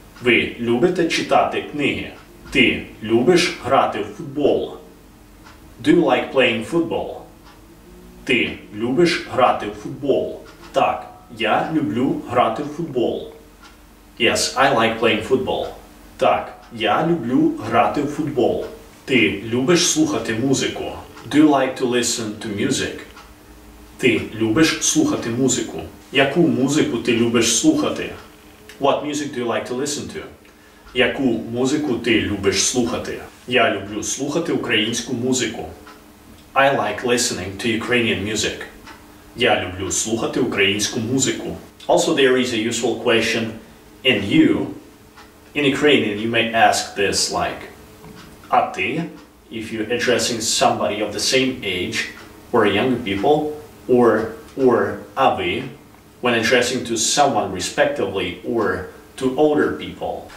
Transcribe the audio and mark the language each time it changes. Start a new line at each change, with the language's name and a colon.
Ukrainian: Ви любите читати книги? Ти любиш грати в футбол?
English: Do you like playing football?
Ukrainian: Ти любиш грати в футбол? Так, я люблю грати в футбол.
English: Yes, I like playing football.
Ukrainian: Так, я люблю грати в футбол. Ти любиш слухати музику?
English: Do you like to listen to music?
Ukrainian: Ти любиш слухати музику? Яку музику ти любиш слухати?
English: What music do you like to listen to?
Ukrainian: Яку музику ти любиш слухати? Я люблю слухати українську музику.
English: I like listening to Ukrainian music.
Ukrainian: Я люблю слухати українську музику.
English: Also, there is a useful question, and you? In Ukrainian, you may ask this like,
Ukrainian: А ти?
English: If you're addressing somebody of the same age, or younger people, or
Ukrainian: А ви?
English: When addressing to someone respectively or to older people.